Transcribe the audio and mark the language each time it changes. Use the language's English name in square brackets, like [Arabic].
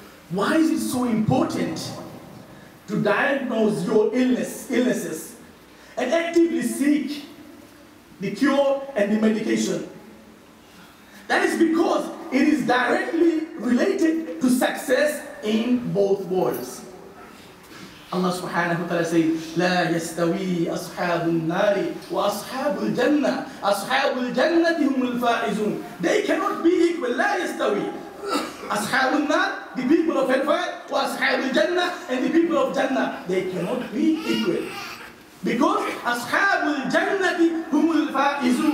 [English] Why is it so important to diagnose your illnesses and actively seek the cure and the medication? That is because it is directly related to success in both worlds. Allah subhanahu wa ta'ala says, [Arabic] لَا يَسْتَوِي أَصْحَابُ النَّارِ وَأَصْحَابُ الْجَنَّةِ أَصْحَابُ الْجَنَّةِ هُمُ الْفَائِزُونَ. [English] They cannot be equal, [Arabic] لَا يَسْتَوِي أَصْحَابُ النَّارِ, [English] the people of hellfire, [Arabic] وَأَصْحَابُ الْجَنَّةِ, [English] and the people of Jannah, they cannot be equal. Because [Arabic] أَصْحَابُ الْجَنَّةِ هُمُ الْفَائِزُونَ.